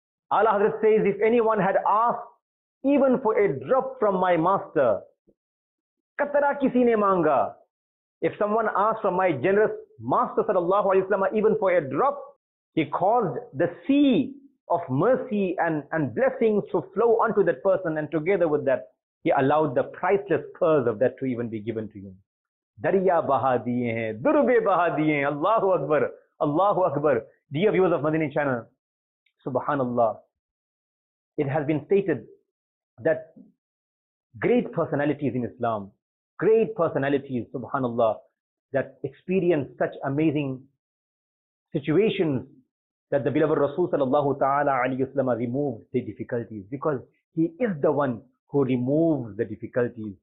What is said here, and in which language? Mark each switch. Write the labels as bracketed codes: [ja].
[en] Allah Hazrat says, if anyone had asked even for a drop from my master, [ur] katra kisi ne manga, [en] if someone asked from my generous master sallallahu alaihi wasallam even for a drop, he caused the sea of mercy and blessings to flow onto that person, and together with that, he allowed the priceless pearls of that to even be given to him. [ur] دریا بہا دیے ہیں, دربے بہا دیے ہیں. [ar] اللہ اکبر, اللہ اکبر. [en] Dear viewers of Madinah channel, subhanallah, it has been stated that great personalities in Islam, great personalities, subhanallah, that experience such amazing situations that the beloved Rasul sallallahu ta'ala alayhi wasallam removed the difficulties, because he is the one who removes the difficulties.